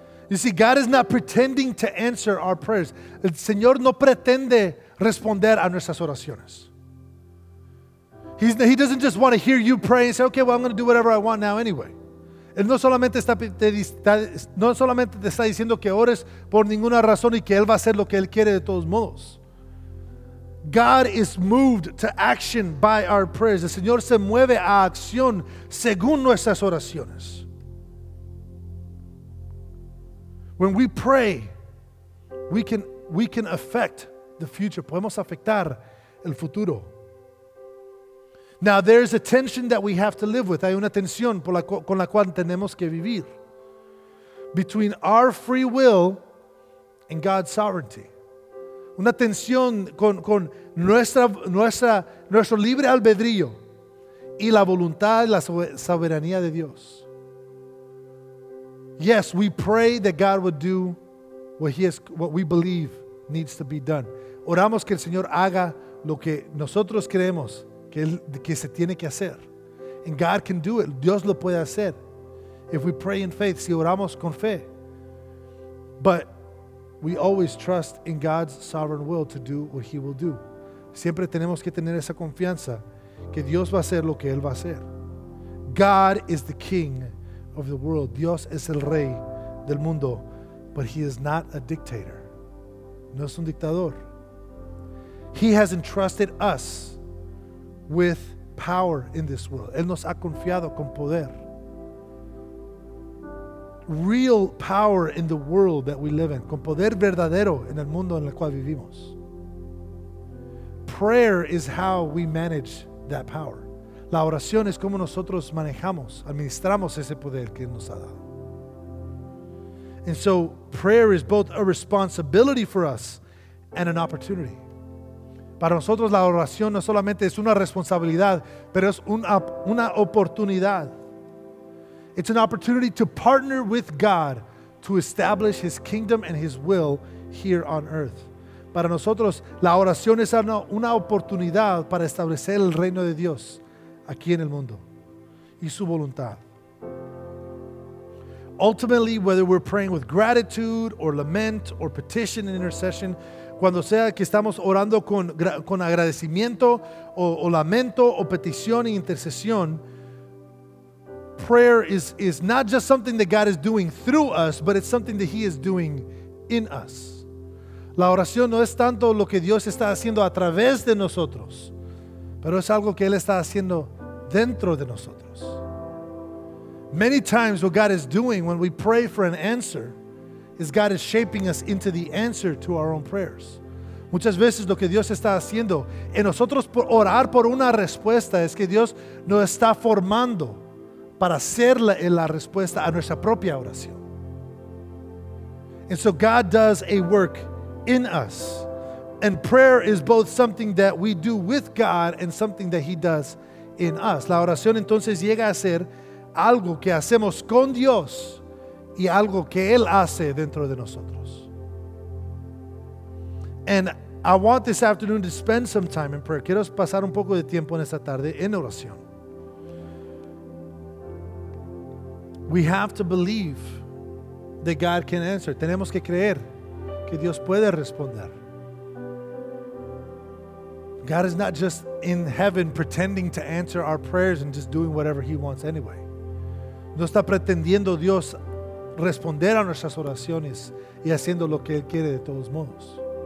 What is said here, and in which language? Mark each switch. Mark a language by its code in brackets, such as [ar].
[en] You see, God is not pretending to answer our prayers. [es] El Señor no pretende responder a nuestras oraciones. [en] He doesn't just want to hear you pray and say, okay, well, I'm going to do whatever I want now anyway. [es] Él no solamente te está diciendo que ores por ninguna razón y que Él va a hacer lo que Él quiere de todos modos. [en] God is moved to action by our prayers. [es] El Señor se mueve a acción según nuestras oraciones. [en] When we pray, we can we can affect the future. [es] Podemos afectar el futuro. [en] Now, there's a tension that we have to live with. [es] Hay una tensión con la cual tenemos que vivir. [en] Between our free will and God's sovereignty. [es] Una tensión con nuestro libre albedrío y la voluntad y la soberanía de Dios. [en] Yes, we pray that God would do what we believe needs to be done. [es] Oramos que el Señor haga lo que nosotros creemos que se tiene que hacer. [en] And God can do it. [es] Dios lo puede hacer. [en] If we pray in faith, [es] si oramos con fe. [en] But we always trust in God's sovereign will to do what He will do. [es] Siempre tenemos que tener esa confianza que Dios va a hacer lo que Él va a hacer. [en] God is the king of the world. [es] Dios es el rey del mundo. [en] But He is not a dictator. [es] No es un dictador. [en] He has entrusted us with power in this world. [es] Él nos ha confiado con poder. [en] Real power in the world that we live in. [es] Con poder verdadero en el mundo en el cual vivimos. [en] Prayer is how we manage that power. [es] La oración es como nosotros manejamos, administramos ese poder que nos ha dado. [en] And so prayer is both a responsibility for us and an opportunity. [es] Para nosotros la oración no solamente es una responsabilidad, pero es una oportunidad. [en] It's an opportunity to partner with God to establish His kingdom and His will here on earth. [es] Para nosotros, la oración es una oportunidad para establecer el reino de Dios aquí en el mundo y su voluntad. [en] Ultimately, whether we're praying with gratitude or lament or petition and intercession, [es] cuando sea que estamos orando con agradecimiento o lamento o petición e intercesión, [en] prayer is not just something that God is doing through us, but it's something that He is doing in us. [es] La oración no es tanto lo que Dios está haciendo a través de nosotros, pero es algo que Él está haciendo dentro de nosotros. [en] Many times what God is doing when we pray for an answer is God is shaping us into the answer to our own prayers. [es] Muchas veces lo que Dios está haciendo en nosotros por orar por una respuesta es que Dios nos está formando para ser la respuesta a nuestra propia oración. [en] And so God does a work in us. And prayer is both something that we do with God and something that He does in us. [es] La oración entonces llega a ser algo que hacemos con Dios y algo que Él hace dentro de nosotros. [en] And I want this afternoon to spend some time in prayer. [es] Quiero pasar un poco de tiempo en esta tarde en oración. [en] We have to believe that God can answer. [es] Tenemos que creer que Dios puede responder. [en] God is not just in heaven pretending to answer our prayers and just doing whatever He wants anyway. [es] No está pretendiendo Dios responder a nuestras oraciones y haciendo lo que Él quiere de todos modos.